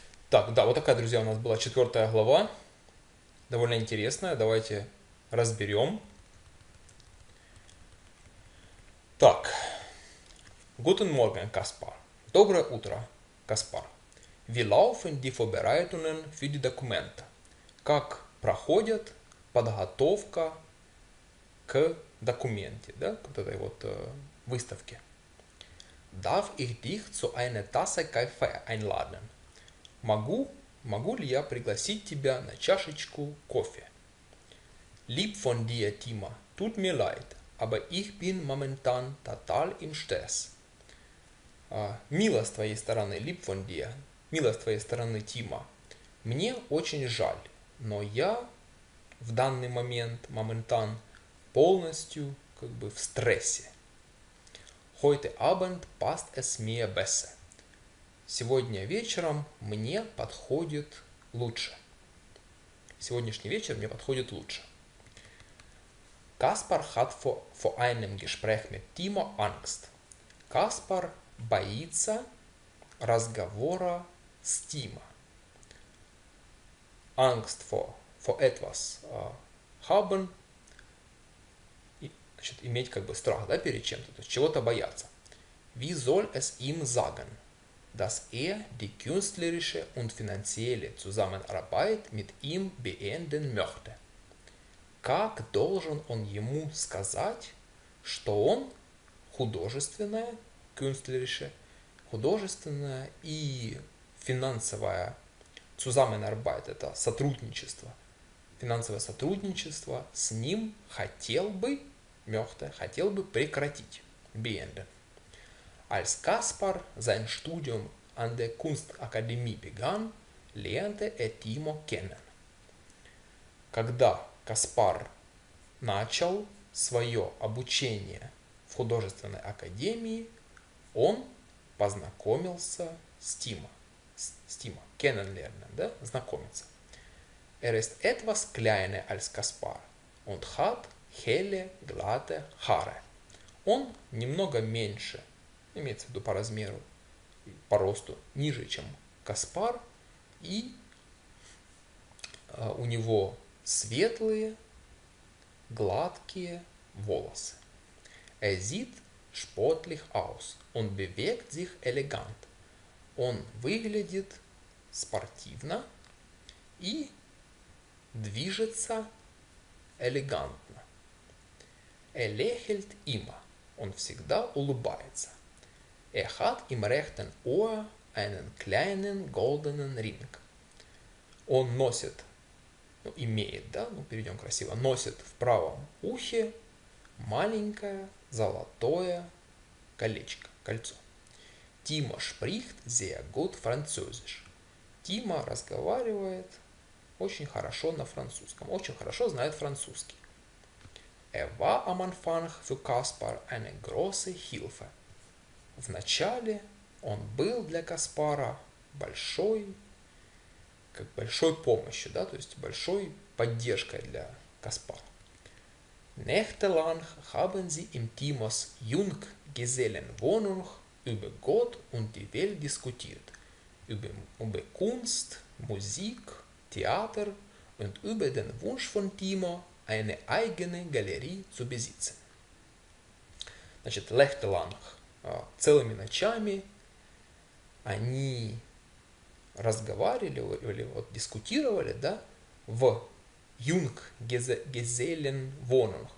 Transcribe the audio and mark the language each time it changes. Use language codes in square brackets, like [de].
[ru] Так, да, вот такая, друзья, у нас была четвертая глава, довольно интересная. Давайте разберем. [de] Так, Guten Morgen, Kaspar. [ru] Доброе утро, Kaspar. [de] Wie laufen die Vorbereitungen für die Dokumente? [ru] Как проходят подготовка к документе, да, к этой вот выставке? [de] Darf ich dich zu einer Tasse Kaffee einladen? [ru] Могу ли я пригласить тебя на чашечку кофе? [de] Lieb von dir, Timo. Tut mir leid, aber ich bin momentan total im Stress. [ru] Мило с твоей стороны, [de] lieb von dir. [ru] Мило с твоей стороны, Timo. Мне очень жаль, но я в данный момент, momentan, полностью как бы в стрессе. [de] Heute Abend passt es mir besser. [ru] Сегодня вечером мне подходит лучше. Сегодняшний вечер мне подходит лучше. [de] Kaspar hat vor einem Gespräch mit Timo Angst. [ru] Kaspar боится разговора с Тимо. [de] Angst vor etwas haben. [ru] Значит, иметь как бы страх, да, перед чем-то, то есть чего-то бояться. [de] Wie soll es ihm sagen? dass er die künstlerische und finanzielle Zusammenarbeit mit ihm beenden möchte. [ru] Как должен он ему сказать, что он художественное, künstlerische, художественное и финансовое Zusammenarbeit, это сотрудничество, финансовое сотрудничество с ним хотел бы, möchte, хотел бы прекратить, beenden. [de] Als Kaspar sein Studium an der Kunstakademie begann, lernte er Timo kennen. [ru] Когда Каспар начал свое обучение в художественной академии, он познакомился с Тимо. С Тимо. [de] Kennenlernen, да? [ru] Знакомиться. [de] Ist etwas kleiner als Kaspar und hat helle, glatte Haare. [ru] Он немного меньше, имеется в виду по размеру, по росту, ниже, чем Каспар, и у него светлые, гладкие волосы. [de] Sieht sportlich aus und bewegt sich elegant. [ru] Он выглядит спортивно и движется элегантно. [de] Lächelt immer. [ru] Он всегда улыбается. [de] Hat im rechten Ohr einen kleinen goldenen Ring. [ru] Он носит, ну, имеет, да, ну, перейдем красиво, носит в правом ухе маленькое золотое колечко, кольцо. [de] Timo spricht sehr gut Französisch. [ru] Timo разговаривает очень хорошо на французском, очень хорошо знает французский. [de] War am Anfang für Kaspar eine große Hilfe. [ru] Вначале он был для Каспара большой, как большой помощью, да, то есть большой поддержкой для Каспара. [de] Nächtelang haben sie in Timos Junggesellenwohnung über Gott und die Welt diskutiert, über Kunst, Musik, Theater und über den Wunsch von Timo, eine eigene Galerie zu besitzen. [ru] Значит, Nächtelang, целыми ночами они разговаривали, вот дискутировали, да, в Junggesellenwohnung.